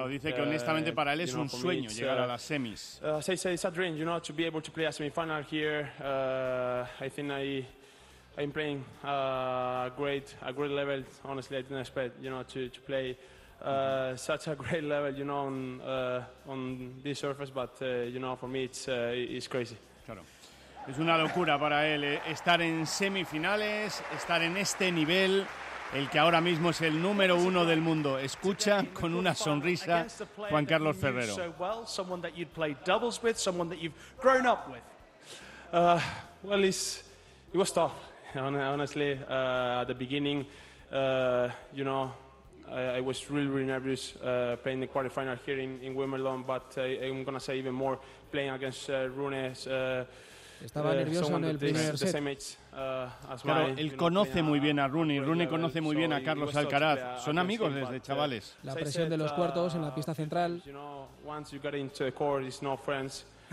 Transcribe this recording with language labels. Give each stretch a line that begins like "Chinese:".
Spanish: Lo dice que honestamente para él es un sueño llegar a las semis.
English: It's a dream, you know, to be able to play a semifinal here. I think I'm playing a great level. Honestly, I didn't expect, you know, to play such a great level, you know, on this surface. But you know, for me, it's crazy.
Spanish: Claro. Es una locura para él estar en semifinales, estar en este nivel, el que ahora mismo es el número uno del mundo. Escucha con una sonrisa Juan Carlos Ferrero.
English: Someone that you'd play doubles with, someone that you've grown up with. Well, it was tough, honestly. At the beginning, you know, I was really, really nervous playing the quarterfinal here in Wimbledon, but I'm going to say even more playing against Rune.
Spanish: Estaba nervioso en el primer set. Claro, él conoce muy bien a Rune, y Rune conoce muy bien a Carlos Alcaraz. Son amigos desde chavales. La presión de los cuartos en la pista central.
English: Once you get into the court, it's no friends.